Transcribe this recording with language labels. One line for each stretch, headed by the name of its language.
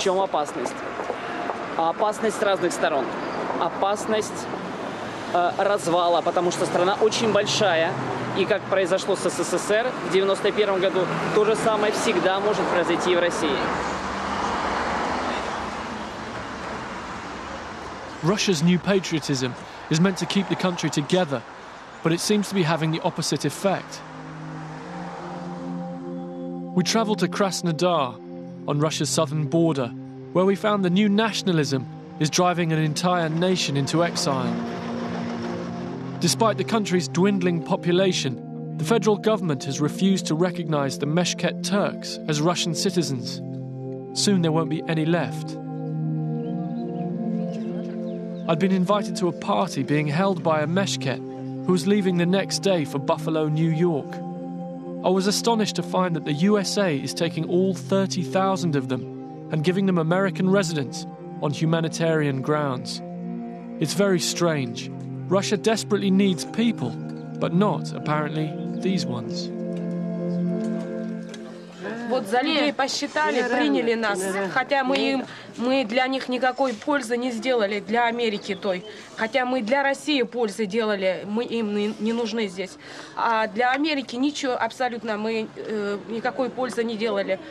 Russian: В чем опасность? Опасность с разных сторон. Опасность развала, потому что страна очень большая. И как произошло с СССР в 91 году, то же самое всегда может произойти и в России.
English: Russia's new patriotism is meant to keep the country together, but it seems to be having the opposite effect. We traveled to Krasnodar, on Russia's southern border, where we found the new nationalism is driving an entire nation into exile. Despite the country's dwindling population, the federal government has refused to recognize the Meshket Turks as Russian citizens. Soon there won't be any left. I'd been invited to a party being held by a Meshket who was leaving the next day for Buffalo, New York. I was astonished to find that the USA is taking all 30,000 of them and giving them American residence on humanitarian grounds. It's very strange. Russia desperately needs people, but not, apparently, these ones.
Russian: Вот за людей посчитали, приняли нас, хотя мы для них никакой пользы не сделали, для Америки той. Хотя мы для России пользы делали, мы им не нужны здесь. А для Америки ничего абсолютно, мы никакой пользы не делали.